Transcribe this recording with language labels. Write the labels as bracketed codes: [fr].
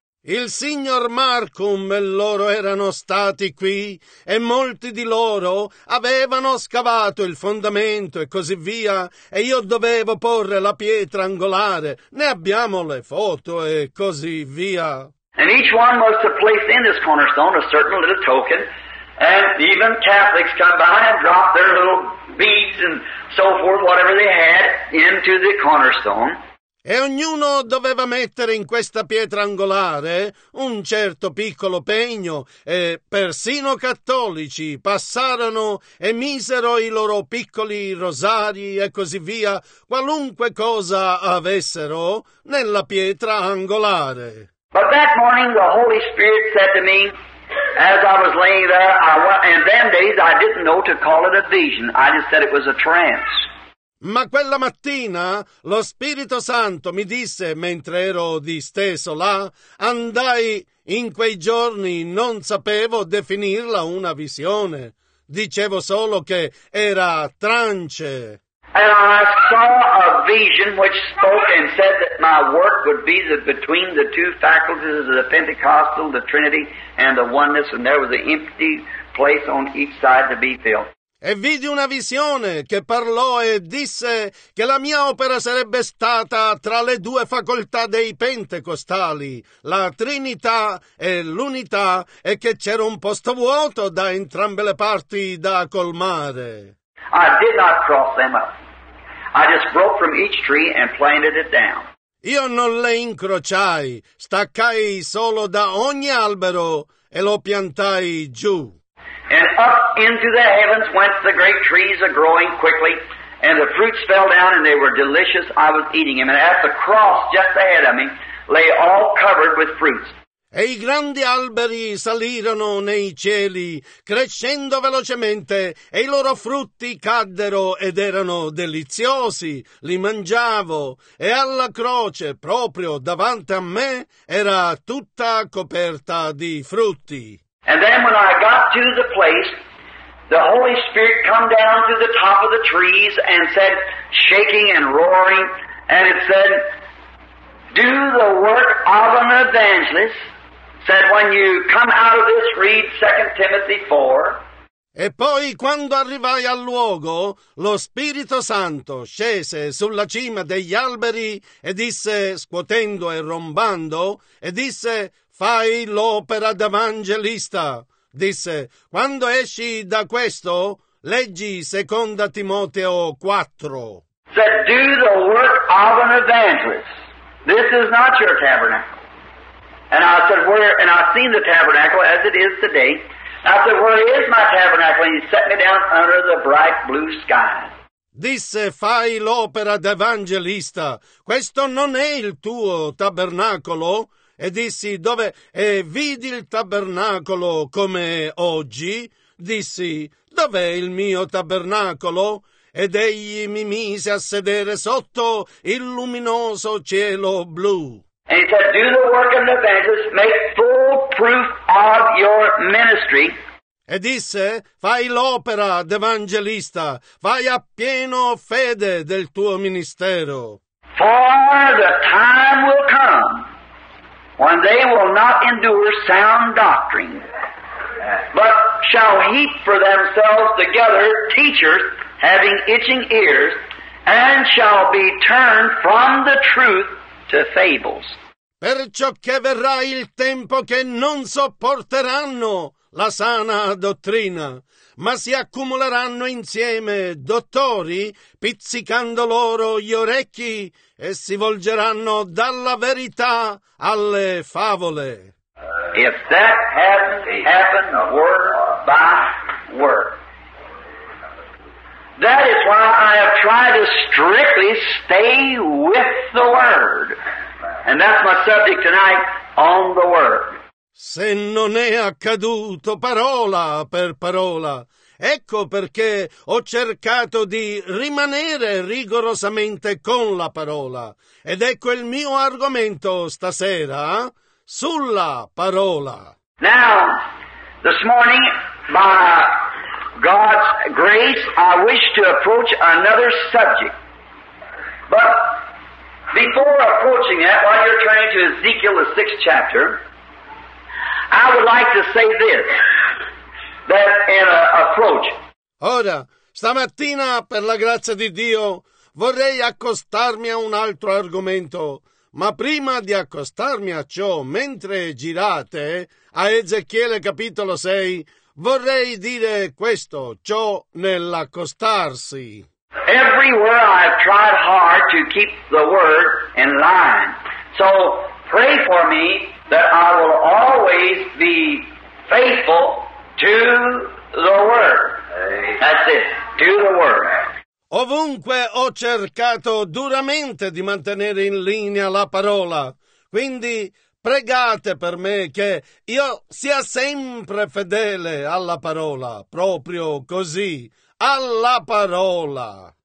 [it] Il signor Markham e loro erano stati qui e molti di loro avevano scavato il fondamento e così via e io dovevo porre la pietra angolare. Ne abbiamo le foto e così via. [en] And each one must have placed in this cornerstone a certain little token, and even Catholics come by and drop their little beads and so forth, whatever they had, into the cornerstone. [it] E ognuno doveva mettere in questa pietra angolare un certo piccolo pegno, e persino cattolici passarono e misero i loro piccoli rosari e così via, qualunque cosa avessero nella pietra angolare. [en] But that morning the Holy Spirit said to me, as I was laying there, in them days I didn't know to call it a vision, I just said it was a trance. [it] Ma quella mattina lo Spirito Santo mi disse, mentre ero disteso là, andai in quei giorni, non sapevo definirla una visione. Dicevo solo che era trance. [en] And I saw a vision which spoke and said that my work would be the between the two faculties of the Pentecostal, the Trinity, and the oneness, and there was an empty place on each side to be filled. [it] E vidi una visione che parlò e disse che la mia opera sarebbe stata tra le due facoltà dei pentecostali, la Trinità e l'Unità, e che c'era un posto vuoto da entrambe le parti da colmare. [en] I did not cross them up. I just broke from each tree and planted it down. [it] Io non le incrociai, staccai solo da ogni albero e lo piantai giù. [en] And up into the heavens went the great trees are growing quickly, and the fruits fell down, and they were delicious. I was eating them. And at the cross, just ahead of me, lay all covered with fruits. [it] E i grandi alberi salirono nei cieli, crescendo velocemente, e i loro frutti caddero ed erano deliziosi. Li mangiavo, e alla croce, proprio davanti a me, era tutta coperta di frutti. [en] And then when I got to the place, the Holy Spirit come down to the top of the trees and said, shaking and roaring, and it said, do the work of an evangelist, said, when you come out of this, read 2 Timothy 4. [it] E poi quando arrivai al luogo, lo Spirito Santo scese sulla cima degli alberi e disse, scuotendo e rombando, e disse, fai l'opera d'evangelista, disse, quando esci da questo, leggi 2 Timoteo 4. [en] Said, do the work of an evangelist. This is not your tabernacle. And I said, I've seen the tabernacle as it is today. I said, where is my tabernacle? And he set me down under the bright blue sky. [it] Disse, fai l'opera d'evangelista. Questo non è il tuo tabernacolo. E dissi, dove? E vidi il tabernacolo come oggi? Dissi, dov'è il mio tabernacolo? Ed egli mi mise a sedere sotto il luminoso cielo blu. [en] And he said, do the work of the evangelist, make full proof of your ministry. [it] E disse, fai l'opera d'evangelista, fai a pieno fede del tuo ministero. [en] For the time will come when they will not endure sound doctrine, but shall heap for themselves together teachers having itching ears, and shall be turned from the truth to fables. [it] Perciò che verrà il tempo che non sopporteranno la sana dottrina, ma si accumuleranno insieme dottori, pizzicando loro gli orecchi, e si volgeranno dalla verità alle favole. [en] If that hasn't happened word by word, that is why I have tried to strictly stay with the word. And that's my subject tonight, on the word. [it] Se non è accaduto parola per parola, ecco perché ho cercato di rimanere rigorosamente con la parola. Ed ecco il mio argomento stasera, sulla parola. [en] Now, this morning, by God's grace, I wish to approach another subject. But before approaching that, while you're turning to Ezekiel, the sixth chapter, I would like to say this, that in an approach. [it] Ora, stamattina, per la grazia di Dio, vorrei accostarmi a un altro argomento. Ma prima di accostarmi a ciò, mentre girate a Ezechiele capitolo 6, vorrei dire questo, ciò nell'accostarsi. [en] Everywhere I've tried hard to keep the word in line. So pray for me that I will always be faithful to the word. That's it, to the word. [it] Ovunque ho cercato duramente di mantenere in linea la parola, quindi pregate per me che io sia sempre fedele alla parola, proprio così, alla parola.